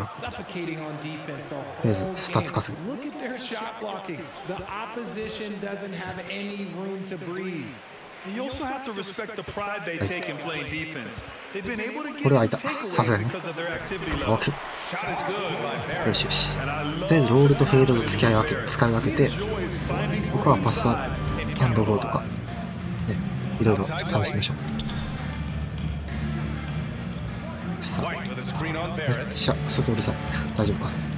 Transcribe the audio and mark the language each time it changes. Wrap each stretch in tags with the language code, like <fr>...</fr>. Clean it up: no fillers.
<ja>とりあえず、スタッツ稼ぐ。</ja> <en>You also have to respect the pride they take in playing defense. They've been able to get some takeaways because of their activity level. Okay. Shot is good by Perry.</en> <ja>よしよし。とりあえずロールとフェードを使い分けて、僕はパスハンドボールとか、ね、いろいろ試してみましょう。さあ、めっちゃ外うるさい。大丈夫か。</ja>